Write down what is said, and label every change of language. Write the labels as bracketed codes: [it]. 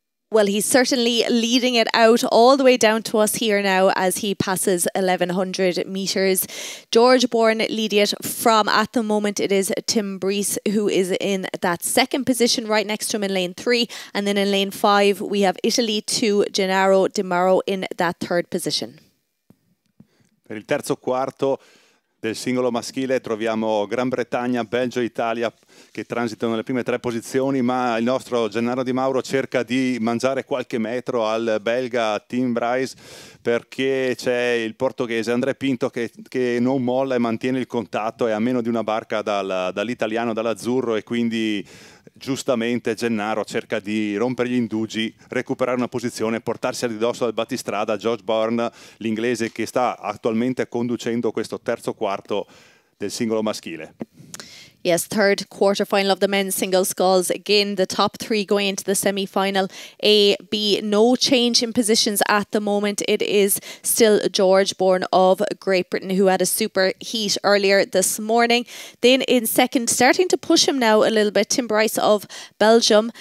[en] Well, he's certainly leading it out all the way down to us here now as he passes 1,100 metres. George Bourne leading it from, at the moment, it is Tim Brees, who is in that second position right next to him in lane three. And then in lane five, we have Italy to Gennaro Di Mauro in that third position. [it] Per il terzo quarto del singolo maschile troviamo Gran Bretagna, Belgio e Italia che transitano nelle prime tre posizioni, ma il nostro Gennaro Di Mauro cerca di mangiare qualche metro al belga Tim Brees, perché c'è il portoghese André Pinto che non molla e mantiene il contatto, è a meno di una barca dall'italiano, dall'azzurro, e quindi giustamente Gennaro cerca di rompere gli indugi, recuperare una posizione, portarsi addosso al battistrada George Bourne, l'inglese che sta attualmente conducendo questo terzo quarto del singolo maschile. [en] Yes, third quarter final of the men's single sculls. Again, the top three going into the semi-final. A, B, no change in positions at the moment. It is still George Bourne of Great Britain, who had a super heat earlier this morning. Then in second, starting to push him now a little bit, Tim Brees of Belgium.